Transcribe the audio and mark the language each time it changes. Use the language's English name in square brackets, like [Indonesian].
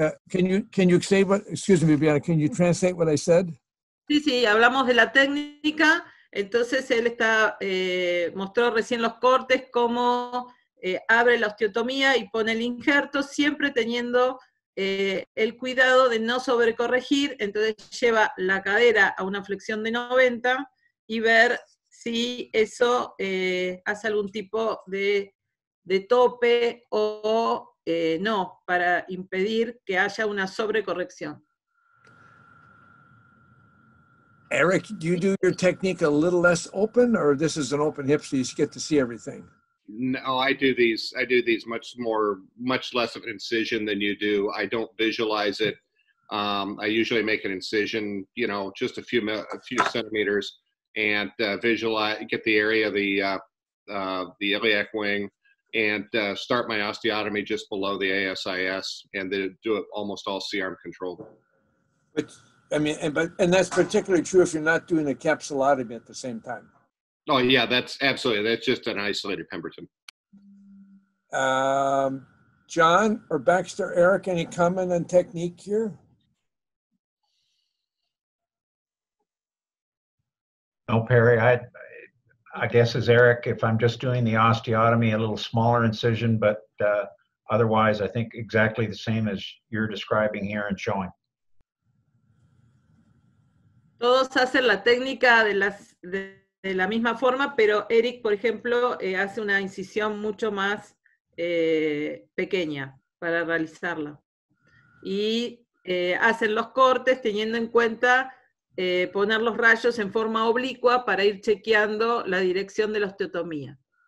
[English] Can you say what, excuse me, Viviana, can you translate what I said? [Spanish] Sí, sí, hablamos de la técnica. Entonces él está, mostró recién los cortes, cómo abre la osteotomía y pone el injerto, siempre teniendo el cuidado de no sobrecorregir. Entonces lleva la cadera a una flexión de 90 y ver si eso hace algún tipo de tope o no, para impedir que haya una sobrecorrección. [English] Eric, do you do your technique a little less open, or this is an open hip, so you get to see everything? No, I do these much less of an incision than you do. I don't visualize it. I usually make an incision, you know, just a few centimeters, and visualize, get the area of the iliac wing, and start my osteotomy just below the ASIS, and then do it almost all C-arm controlled. But I mean, and that's particularly true if you're not doing a capsulotomy at the same time. Oh yeah, that's absolutely, that's just an isolated Pemberton. John or Baxter, Eric, any comment on technique here? No, Perry, I guess as Eric, if I'm just doing the osteotomy, a little smaller incision, but otherwise I think exactly the same as you're describing here and showing. [Spanish] Todos hacen la técnica de las de la misma forma, pero Eric, por ejemplo, hace una incisión mucho más pequeña para realizarla. Y hacen los cortes teniendo en cuenta poner los rayos en forma oblicua para ir chequeando la dirección de la osteotomía.